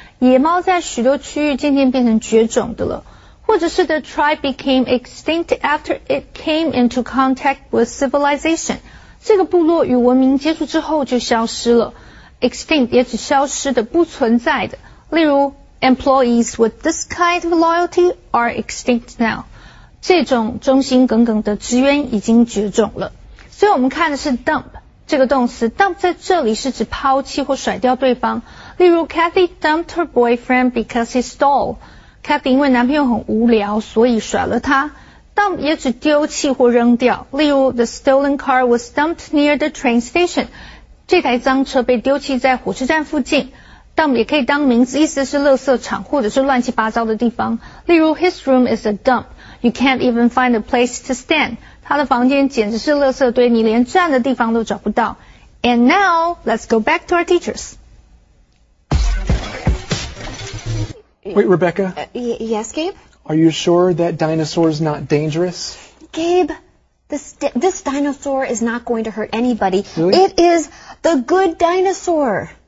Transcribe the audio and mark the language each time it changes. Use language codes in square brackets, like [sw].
[zh] 野猫在许多区域渐渐变成绝种的了。或者是 [en] the tribe became extinct after it came into contact with civilization. [zh] 这个部落与文明接触之后就消失了。 Extinct 也指消失的、不存在的。例如 [en] employees with this kind of loyalty are extinct now. [zh] 这种忠心耿耿的职员已经绝种了。所以我们看的是 dump 这个动词。dump 在这里是指抛弃或甩掉对方。例如 [en] Kathy dumped her boyfriend because he stole. [zh] Kathy 因为男朋友很无聊，所以甩了他。Dump 也指丢弃或扔掉。例如 [en] ,the stolen car was dumped near the train station. [zh] 这台脏车被丢弃在火车站附近。Dump 也可以当名字，意思是垃圾场或者是乱七八糟的地方。例如 [en] ,his room is a dump. You can't even find a place to stand. [zh] 他的房间简直是垃圾堆，你连站的地方都找不到。 [en] And now, let's go back to our teachers. Wait, Rebecca? Yes, Gabe? Are you sure that dinosaur's not dangerous? Gabe, this dinosaur is not going to hurt anybody. Really? It is the good dinosaur.